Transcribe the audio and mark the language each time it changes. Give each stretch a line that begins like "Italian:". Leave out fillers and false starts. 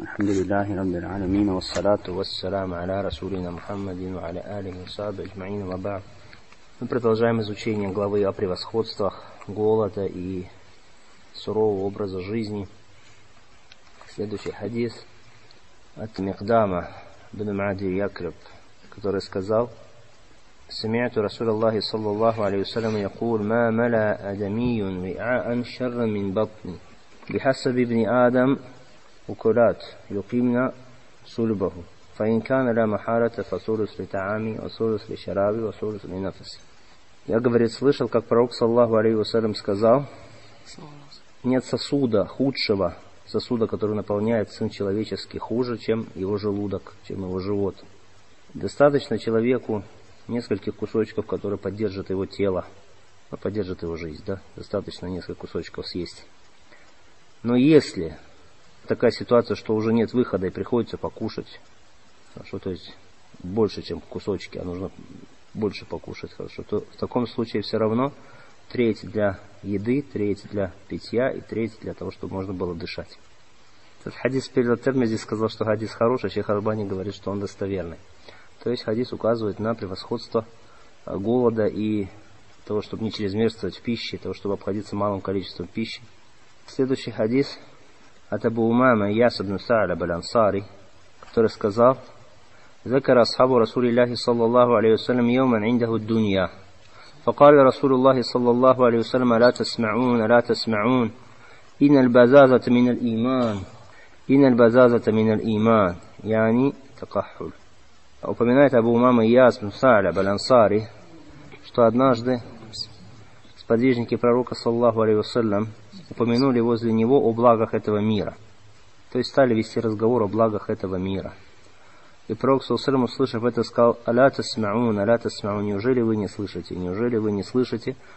Arabic: الحمد لله رب العالمين، والصلاة والسلام على رسولنا محمد وعلى آله وصحبه أجمعين، وبعد.
Russian: Мы продолжаем изучение главы о превосходствах голода и сурового образа жизни.
Arabic: Следующий хадис от Мигдама бин Маади Якриб, который сказал: سمعت رسول الله صلى الله عليه وسلم يقول ما ملأ آدمي وعاء شر من بطني بحسب ابن آدم أكلات يقيمن صلبه فإن كان لا محالة فثلث لطعامي وثلث لشرابي وثلث لنفسي.
Russian: Я, говорит, слышал, как пророк, саллаху алейхи вассалям, сказал: нет сосуда худшего, сосуда, который наполняет сын человеческий, хуже, чем его желудок, чем его живот. Достаточно человеку нескольких кусочков, которые поддержат его тело, поддержат его жизнь, да? Достаточно несколько кусочков съесть. Но если такая ситуация, что уже нет выхода и приходится покушать, что, то есть больше, чем кусочки, а нужно больше покушать, хорошо, то в таком случае все равно треть для еды, треть для питья и треть для того, чтобы можно было дышать. Этот хадис перед Термизи сказал, что хадис хороший, а шейх Албани говорит, что он достоверный. То есть хадис указывает на превосходство голода и того, чтобы не чрезмерствовать в пище, того, чтобы обходиться малым количеством пищи.
Arabic: Следующий хадис от Абу Умама Ясабн Саля Балянсари, который сказал: ذكر أصحاب رسول الله صلى الله عليه وسلم يوما عنده الدنيا فقال رسول الله صلى الله عليه وسلم لا تسمعون لا تسمعون إن البزازة من الإيمان إن البزازة من الإيمان يعني تقحل.
Russian: Упоминает Абу Умама Ияс бин Саля Балянсари, что однажды сподвижники пророка саллаллаху алейхи вассалям упомянули возле него о благах этого мира, то есть стали вести разговор о благах этого мира. И пророк, саллаллаху алейхи вассалям, услышав это, сказал: «Аля тасмаун, аля тасмаун, неужели вы не слышите, неужели вы не слышите?